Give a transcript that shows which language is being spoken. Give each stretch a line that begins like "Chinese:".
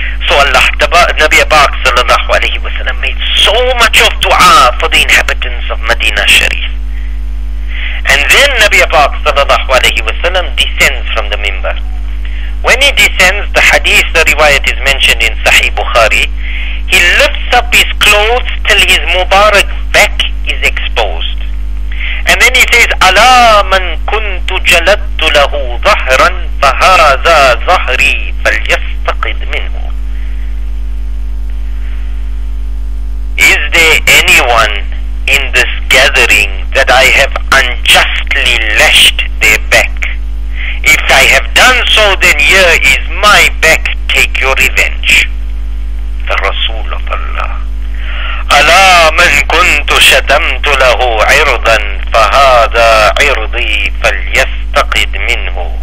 English: So Allah, Nabi Pak sallallahu alayhi wa sallam made so much of dua for the inhabitants of Medina Sharif. And then Nabi Pak sallallahu alayhi wa sallam descends from the minbar. When he descends, the hadith, the riwayat is mentioned in Sahih Bukhari, he lifts up his clothes till his Mubarak back is exposed. And then he says,
Arabic: أَلَا مَنْ كُنْتُ جَلَدْتُ لَهُ ظَهْرًا فَهَرَزَا ظَهْرِي فَلْيَسْتَقِدْ مِنْهُ.
English: Is there anyone in this gathering that I have unjustly lashed their back? If I have done so, then here is my back, take your revenge. The Rasul of Allah.
Arabic: أَلَا مَنْ كُنْتُ شَتَمْتُ لَهُ عِرْضًا فَهَذَا عِرْضِي فَلْيَسْتَقِدْ مِنْهُ.